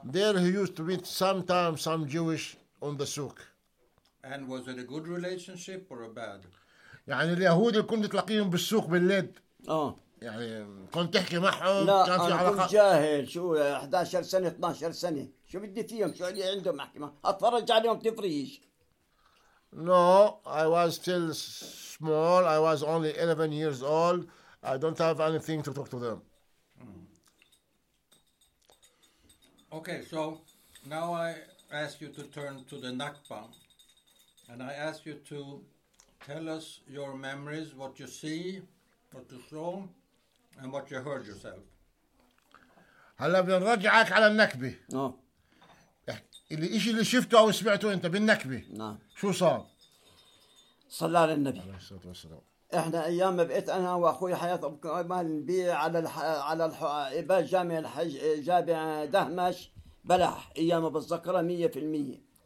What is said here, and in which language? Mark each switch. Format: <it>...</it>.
<en>There he used to meet sometimes some Jewish on the souk. And was it a good relationship or a bad?</en> <ar>يعني اليهود اللي كنت تلاقيهم بالسوق بالليل. يعني كنت تحكي معهم. لا كان في أنا علاقة. كنت جاهل شو 11 سنة 12 سنة شو بدي فيهم شو اللي عندهم محكمة أتفرج عليهم تفريش.</ar> <en>No, I was still small. I was only 11 years old. I don't have anything to talk to them. Okay, so now I ask you to turn to the Nakba. And I ask you to tell us your memories, what you see, what you saw, and what you heard yourself.</en> <ar>هلا بدنا نرجعك على النكبة. اللي إشي اللي شفته أو سمعته أنت بالنكبة. شو صار؟ صلى على النبي. عليه الصلاة والسلام. إحنا أيام بقيت أنا وأخوي حياة أبو كمال نبيع على إبال جامع الحج جامع دهمش بلح أيام بالذكرى 100%.</ar>